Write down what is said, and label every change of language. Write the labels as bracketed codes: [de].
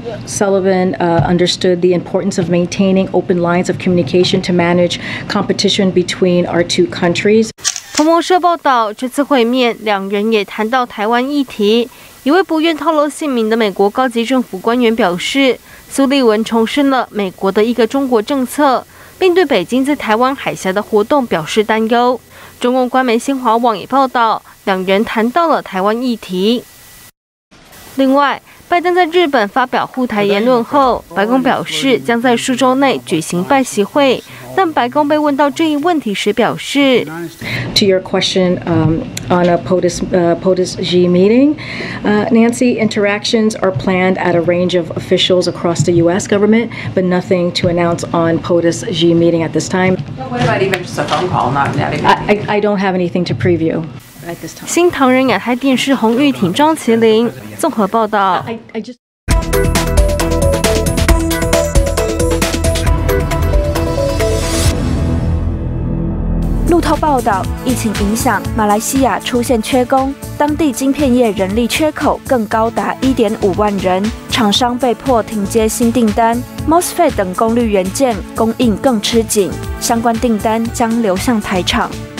[en] Sullivan understood the importance of maintaining open lines of communication to manage competition between our two countries. [zh] 彭博社报道，这次会面，两人也谈到台湾议题。一位不愿透露姓名的美国高级政府官员表示，苏利文重申了美国的一个中国政策，并对北京在台湾海峡的活动表示担忧。中共官媒新华网也报道，两人谈到了台湾议题。另外，拜登在日本发表护台言论后，白宫表示将在数周内举行拜习会，但白宫被问到这一问题时表示 [en] ，To your question, on a POTUS G meeting, Nancy, interactions are planned at a range of officials across the U.S. government, but nothing to announce on POTUS G meeting at this time. What about even just a phone call? I don't have anything to preview. [zh] 新唐人亚太电视洪玉婷、张麒麟综合报道。路透报道，疫情影响，马来西亚出现缺工，当地晶片业人力缺口更高达1.5万人，厂商被迫停接新订单 ，MOSFET 等功率元件供应更吃紧，相关订单将流向台厂。